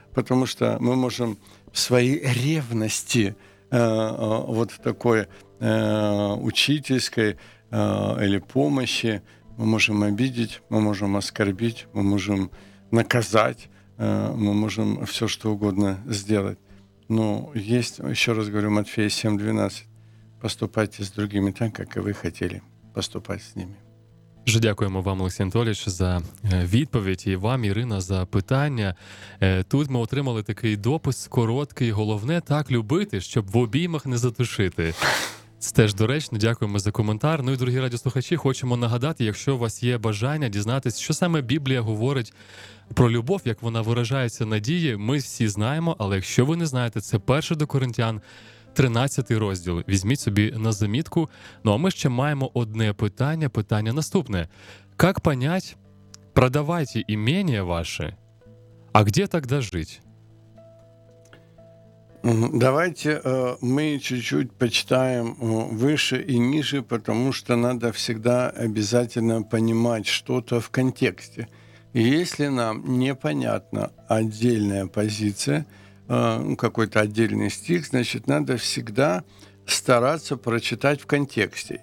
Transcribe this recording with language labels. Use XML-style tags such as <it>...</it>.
<ru>Потому что мы можем в своей ревности вот такой учительской или помощи мы можем обидеть, мы можем оскорбить, мы можем наказать, мы можем все что угодно сделать. Но есть, еще раз говорю, Матфея 7:12. Поступайте с другими так, как и вы хотели поступать с ними.</ru> <uk>Дуже дякуємо вам, Олексій Анатолійович, за відповідь, і вам, Ірина, за питання. Тут ми отримали такий допис короткий. Головне – так любити, щоб в обіймах не задушити. Це теж доречно. Дякуємо за коментар. Ну і, дорогі радіослухачі, хочемо нагадати, якщо у вас є бажання дізнатися, що саме Біблія говорить про любов, як вона виражається на дії, ми всі знаємо, але якщо ви не знаєте, це 1 до Коринтян, 13 розділ. Візьміть собі на замітку. Ну, а ми ще маємо одне питання. Питання наступне. Як понять, продавайте імення ваше,</uk> <ru>а где тогда жить? Давайте мы чуть-чуть почитаем выше и ниже, потому что надо всегда обязательно понимать что-то в контексте. Если нам непонятна отдельная позиция, какой-то отдельный стих, значит, надо всегда стараться прочитать в контексте.</ru>